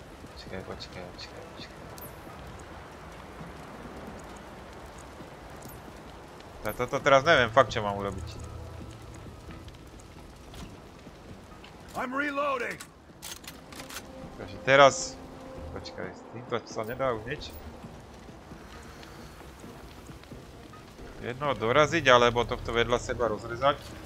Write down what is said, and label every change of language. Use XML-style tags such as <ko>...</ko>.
<sk>Počkaj, počkaj, počkaj, počkaj. Toto teraz neviem fakt, čo mám urobiť.</sk> <en>I'm reloading.</en> <sk>Takže teraz... Počkaj, s týmto sa nedá už nič. Jedno doraziť, alebo tohto vedľa seba rozrezať.</sk>